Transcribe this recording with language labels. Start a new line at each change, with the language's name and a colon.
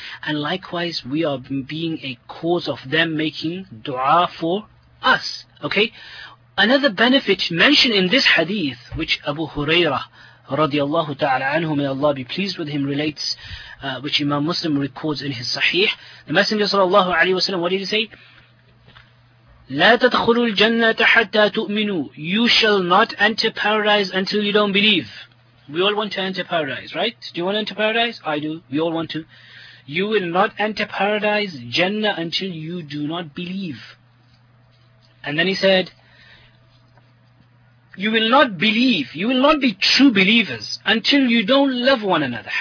English: And likewise, we are being a cause of them making du'a for us. Okay? Another benefit mentioned in this hadith, which Abu Huraira radiallahu ta'ala anhu, may Allah be pleased with him, relates, which Imam Muslim records in his Sahih. The Messenger sallallahu alayhi wa sallam, what did he say?
Arabic: لا تدخلوا الجنة حتى تؤمنوا.
English: You shall not enter paradise until you don't believe. We all want to enter paradise, right? Do you want to enter paradise? I do. We all want to. You will not enter paradise, Jannah, until you do not believe. And then he said, you will not believe, you will not be true believers until you don't love one another.